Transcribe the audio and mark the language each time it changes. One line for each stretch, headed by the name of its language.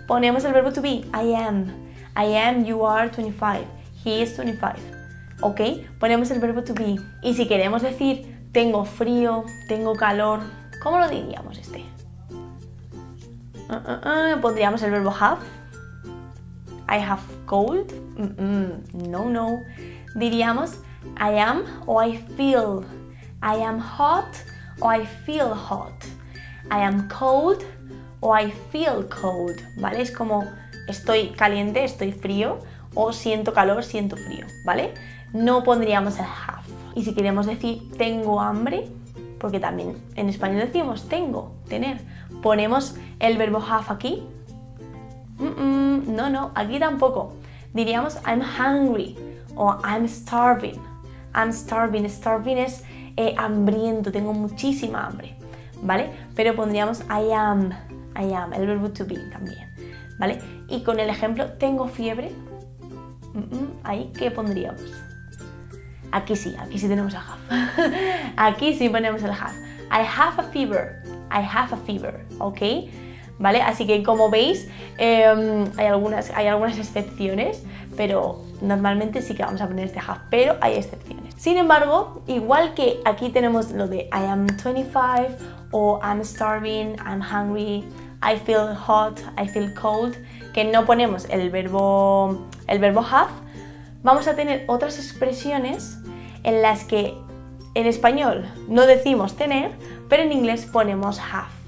Spanish: Ponemos el verbo
English: to be, I am, you are 25, he is 25.
Spanish: ¿Ok? Ponemos el verbo to be. Y si queremos decir tengo frío, tengo calor, ¿cómo lo diríamos este? ¿Pondríamos el verbo have?
English: ¿I have cold?
Spanish: No, no. Diríamos
English: I am o I feel. I am hot o I feel hot. I am cold o I feel cold. ¿Vale?
Spanish: Es como estoy caliente, estoy frío o siento calor, siento frío. ¿Vale? No pondríamos el have. Y si queremos decir tengo hambre, porque también en español decimos tengo, tener, ponemos el verbo have aquí. No, no, aquí tampoco. Diríamos
English: I'm hungry o I'm starving. I'm starving.
Spanish: Starving es hambriento, tengo muchísima hambre, ¿vale? Pero pondríamos I am, el verbo to be también, ¿vale? Y con el ejemplo, tengo fiebre, ahí, ¿qué pondríamos? Aquí sí tenemos el have. Aquí sí ponemos el have.
English: I have a fever, I have a fever, ¿ok?
Spanish: ¿Vale? Así que como veis, hay algunas excepciones, pero normalmente sí que vamos a poner este have, pero hay excepciones. Sin embargo, igual que aquí tenemos lo de I am 25, o
English: I'm starving, I'm hungry, I feel hot, I feel cold,
Spanish: que no ponemos el verbo have, vamos a tener otras expresiones en las que en español no decimos tener, pero en inglés ponemos have.